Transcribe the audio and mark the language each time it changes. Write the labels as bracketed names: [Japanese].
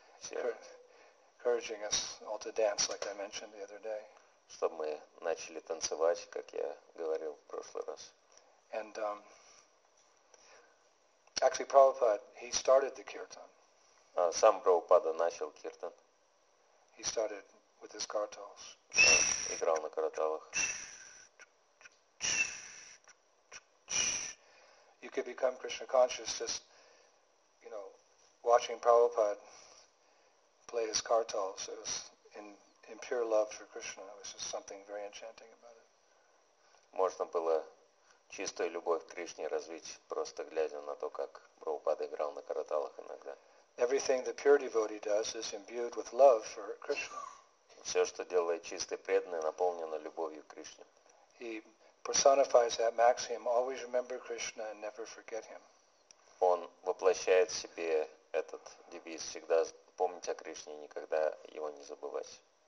[English] encouraging us all to dance, like I mentioned the other day. [Russian] Чтобы мы начали танцевать, как я говорил в прошлый раз. [English] And actually, Prabhupada, he started the kirtan. [Russian] Сам Прабхупада начал киртан. [English] He started with his картолс. [Russian] Играл на карталах. [English] You could become Krishna conscious just, you know, watching Prabhupada play his kartals. It was in pure love for Krishna. It was just something very enchanting about it. [Russian] Можно было чистую любовь к Кришне развить, просто глядя на то, как Прабхупада играл на караталах иногда. [English] Everything the pure devotee does is imbued with love for Krishna. [Russian] Все, что делает чистый преданный, наполнено любовью к Кришне. [English] He personifies that maxim, always remember Krishna and never forget him. [Russian] Он воплощает в себе этот девиз, всегда помнить о Кришне и никогда его не забывать.